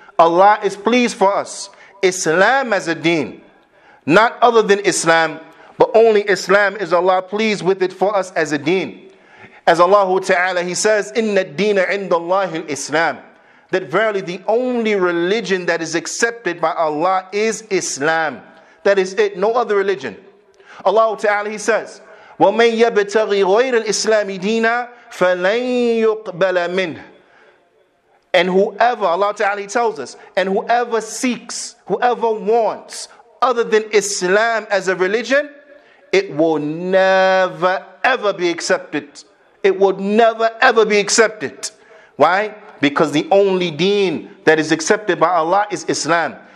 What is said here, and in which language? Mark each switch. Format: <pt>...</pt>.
<en>Allah is pleased for us, Islam as a deen, not other than Islam, but only Islam is Allah pleased with it for us as a deen. As Allah Ta'ala, He says,</en> <ar>"Inna ad-deena 'inda Allahi al-Islam."</ar> <en>That verily the only religion that is accepted by Allah is Islam. That is it, no other religion. Allah Ta'ala, He says,</en> <ar>وَمَنْ يَبْتَغِي غَيْرَ الْإِسْلَامِ دِينَا فَلَنْ يُقْبَلَ مِنْهُ.</ar> <en>And whoever, Allah Ta'ala, He tells us, and whoever seeks, whoever wants other than Islam as a religion, it will never ever be accepted. It would never ever be accepted. Why? Because the only deen that is accepted by Allah is Islam.</en>